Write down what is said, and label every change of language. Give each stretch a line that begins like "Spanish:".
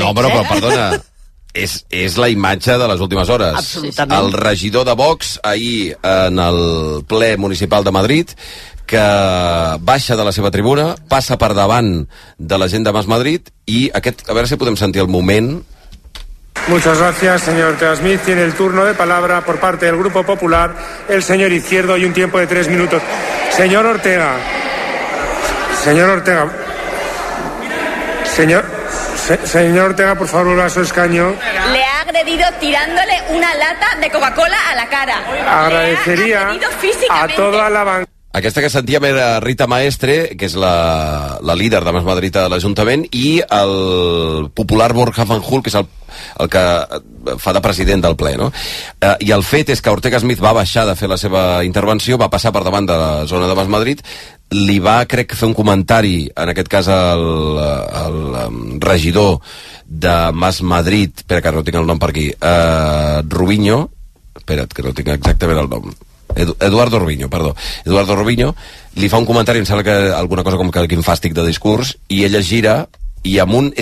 Catalan: No, però perdona, és la imatge de les últimes hores. Absolutament. El regidor de Vox ahir en el ple municipal de Madrid, que baixa de la seva tribuna, passa per davant de la gent de Más Madrid, i aquest, a veure si podem sentir el moment.
Spanish: Muchas gracias, señor Ortega Smith. Tiene el turno de palabra por parte del Grupo Popular el señor Izquierdo y un tiempo de 3 minutos. Señor Ortega. Señor Ortega, por favor, vuelva a su escaño. Le ha agredido tirándole una lata de Coca-Cola a la cara. Agradecería a toda la banca.
Catalan: Aquesta que sentíem era Rita Maestre, que és la líder de Més Madrid de l'Ajuntament, i el popular Borja Fanjul, que és el que fa de president del ple, no? I el fet és que Ortega Smith va baixar de fer la seva intervenció, va passar per davant de la zona de Més Madrid, li va, crec, fer un comentari, en aquest cas el regidor de Més Madrid, espera que no tinc el nom per aquí, Rubiño, espera't que no tinc exactament el nom, Eduardo Rubiño li fa un comentari, em sembla que alguna cosa com que quin fàstic de discurs, i ella gira i amb un...